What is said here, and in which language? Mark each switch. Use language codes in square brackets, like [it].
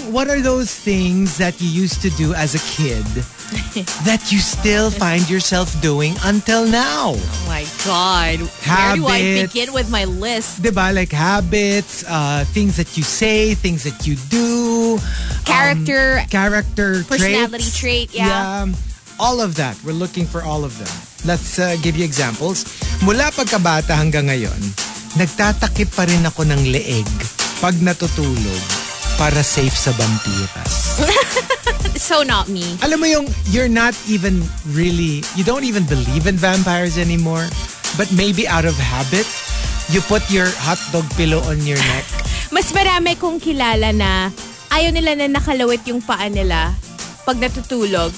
[en] What are those things that you used to do as a kid that you still find yourself doing until now? Oh my God. Habits. Where do I begin with my list? [tl] Diba? [en] Like habits, things that you say, things that you do. Character. Character personality Personality trait, yeah. Yeah. All of that. We're looking for all of them. Let's give you examples. [tl] Mula pagkabata hanggang ngayon, nagtatakip pa rin ako ng leeg pag natutulog para safe sa bampira. [en] So not me. [tl] Alam mo yung, [en] you're not even really, you don't even believe in vampires anymore. But maybe out of habit, you put your hot dog pillow on your neck. [tl] Mas marami kong kilala na ayaw nila na nakalawit yung paa nila pag natutulog.